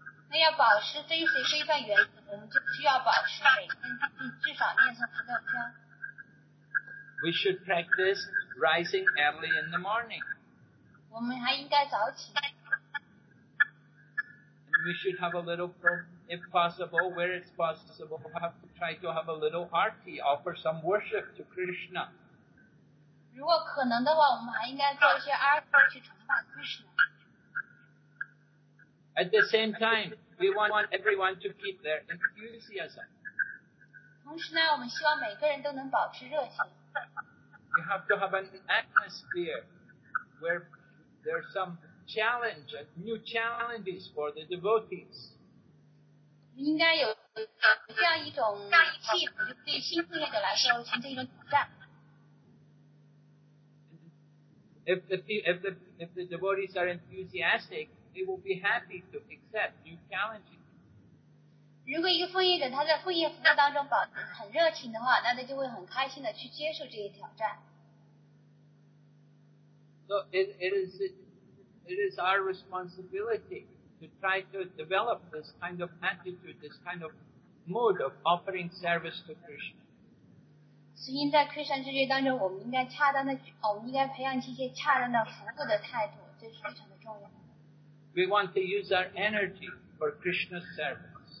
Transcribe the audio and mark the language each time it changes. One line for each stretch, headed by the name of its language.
Chinese: 那要保持追随规范原则，我们就需要保持每天至少念诵16圈。
English: We should practice rising early in the morning.
Chinese: 我们还应该早起。
English: We should have a little, if possible, where it's possible, we have to try to have a little arti, offer some worship to Krishna.
Chinese: 如果可能的话，我们还应该做一些 arti 去崇拜 Krishna.
English: At the same time, we want everyone to keep their enthusiasm.
Chinese: 同时呢，我们希望每个人都能保持热情。
English: We have to have an atmosphere where there's some. Challenge, new challenges for the devotees.
Chinese: 应该有这样一种气氛，就对新奉献者来说形成一种挑战。
English: If the devotees are enthusiastic, they will be happy to accept new challenges.
Chinese: 如果一个奉献者他在奉献服务当中保持很热情的话，那他就会很开心的去接受这些挑战。
English: So it is our responsibility to try to develop this kind of attitude, this kind of mode of offering service to Krishna.
Chinese: 所以在 Krishna 之觉当中，我们应该恰当的，我们应该培养起一些恰当的服务的态度，这是非常的重要。
English: We want to use our energy for Krishna's service.